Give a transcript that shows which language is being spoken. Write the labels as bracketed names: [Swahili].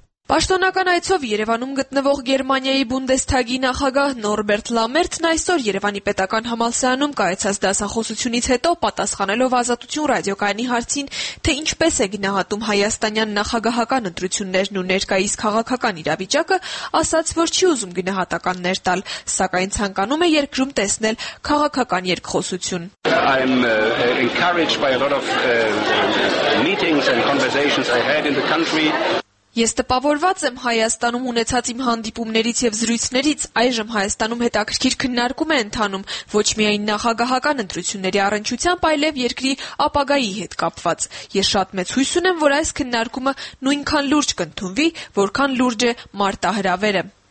[Armenian] Պաշտոնական այցով Երևանում գտնվող Գերմանիայի բունդեսթագի նախագահ Նորբերտ Լամերտն այսօր Երևանի պետական համալսարանում կայացած դասախոսությունից հետո պատասխանելով Ազատություն ռադիոկայանի հարցին, թե ինչպես է գնահատում հայաստանյան նախագահական ընտրություններն ու ներկայիս քաղաքական իրավիճակը, ասաց, որ չի ուզում գնահատականներ տալ, սակայն ցանկանում է երկրում տեսնել քաղաքական երկխոսություն։ [English] I'm encouraged by a lot of meetings and conversations I had in the country. [Armenian] Ես տպավորված եմ Հայաստանում ունեցած իմ հանդիպումներից և զրույցներից, այժմ Հայաստանում հետաքրքիր քննարկում է ընթանում ոչ միայն նախագահական ընտրությունների առնչությամբ, այլև երկրի ապագայի հետ կապված։ Ես շատ մեծ հույս ունեմ, որ այս քննարկումը նույնքան լուրջ կընդունվի, որքան լուրջ է մարտահրավերը։